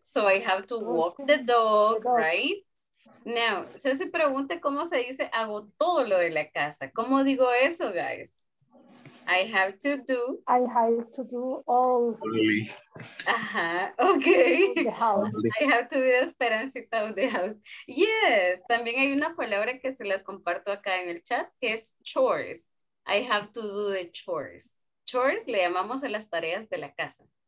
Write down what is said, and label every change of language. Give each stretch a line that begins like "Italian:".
English: So, I have to walk the dog, right?
Spanish: Now, Ceci pregunta cómo se dice hago todo lo de la casa. ¿Cómo digo eso, guys?
English: I have to do all. Ajá, okay. The house. I have to be the esperancita of the house.
Spanish: Yes, también hay una palabra que se las comparto acá en el chat, que es chores.
English: I have to do the chores.
Spanish: Chores le llamamos a las tareas de la casa.